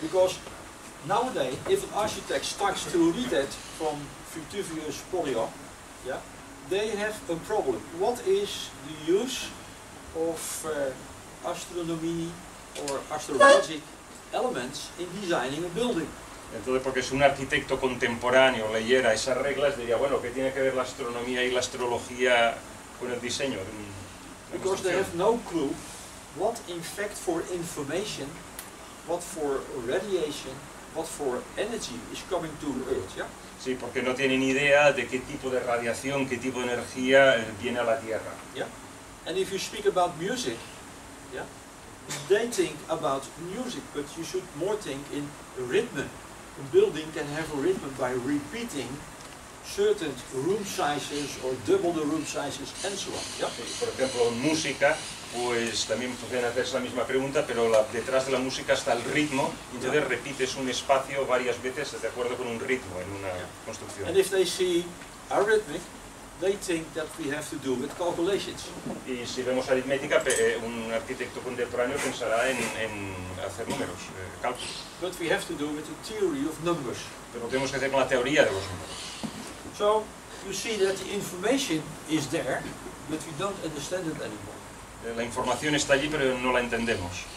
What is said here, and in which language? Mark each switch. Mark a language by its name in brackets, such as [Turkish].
[English] Because nowadays, if an architect starts to read it from Vitruvius Pollio, yeah, they have a problem. What is the use of astronomy or astrologic elements in designing a building? [Spanish] Entonces, porque si un arquitecto contemporáneo leyera esas reglas, diría, bueno, ¿qué tiene que ver la astronomía y la astrología con el diseño? [English] Because they have no clue what in fact for information, what for radiation, what for energy is coming to Earth, yeah? [Spanish] Sí, porque no tienen idea de qué tipo de radiación, qué tipo de energía viene a la Tierra. [English] Yeah. And if you speak about music, yeah, they think about music, but you should more think in rhythm. A building can have a rhythm by repeating certain room sizes or double the room sizes and so on. Yeah? [Spanish] Por ejemplo, en música, pues también pueden hacerse la misma pregunta, pero la, detrás de la música está el ritmo, y entonces repites un espacio varias veces de acuerdo con un ritmo en una construcción. [English] And if they see arithmetic, they think that we have to do with calculations. [Spanish] Y si vemos aritmética, un arquitecto contemporáneo pensará en hacer números, cálculos. [English] But we have to do with the theory of numbers. [Spanish] Pero tenemos que hacer con la teoría de los números. [English] So you see that the information is there, but we don't understand it anymore. [Spanish] La información está allí, pero no la entendemos.